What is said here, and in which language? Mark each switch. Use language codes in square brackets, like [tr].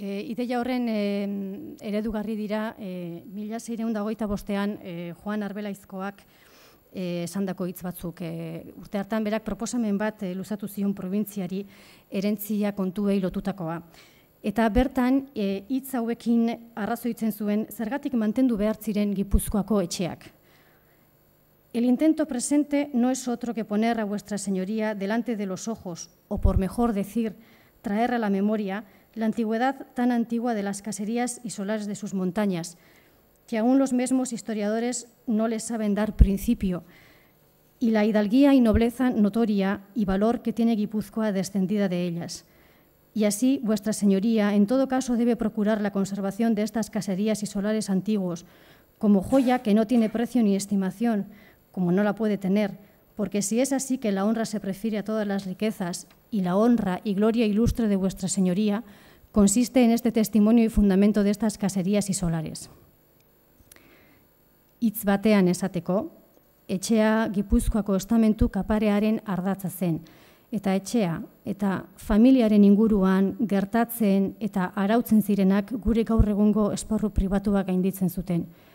[eu] Ideia horren eredugarri dira 1625ean Juan Arbelaizkoak esandako hitz batzuk. Urte hartan berak proposamen bat luzatu zion probintziari erentzia kontuei lotutakoa. Eta bertan hitz hauekin arrazoitzen zuen zergatik mantendu behar ziren Gipuzkoako etxeak. [es] El intento presente no es otro que poner a vuestra señoría delante de los ojos o por mejor decir traer a la memoria la antigüedad tan antigua de las caserías y solares de sus montañas, que aún los mismos historiadores no les saben dar principio, y la hidalguía y nobleza notoria y valor que tiene Guipúzcoa descendida de ellas. Y así, vuestra señoría, en todo caso debe procurar la conservación de estas caserías y solares antiguos, como joya que no tiene precio ni estimación, como no la puede tener, porque si es así que la honra se prefiere a todas las riquezas, y la honra y gloria ilustre de vuestra señoría consiste en este testimonio y fundamento de estas caserías y solares. [eu] Hitz batean esateko, etxea Gipuzkoako estamentu kaparearen ardatza zen, eta etxea eta familiaren inguruan gertatzen eta arautzen zirenak gure gaur egungo esparru pribatua gainditzen zuten.